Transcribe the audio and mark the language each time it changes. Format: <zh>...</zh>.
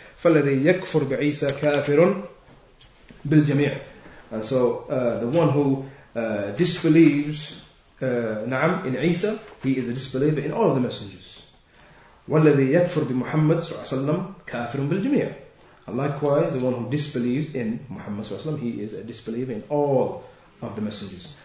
<ar>فالذي يكفر بعيسى كافر بالجميع.</ar> <en>And so the one who disbelieves نعم in عيسى, he is a disbeliever in all of the messengers.</en> <ar>والذي يكفر بمحمد صلى الله عليه وسلم كافر بالجميع.</ar> <en>And likewise, the one who disbelieves in Muhammad صلى الله عليه وسلم, he is a disbeliever in all of the messengers.</en>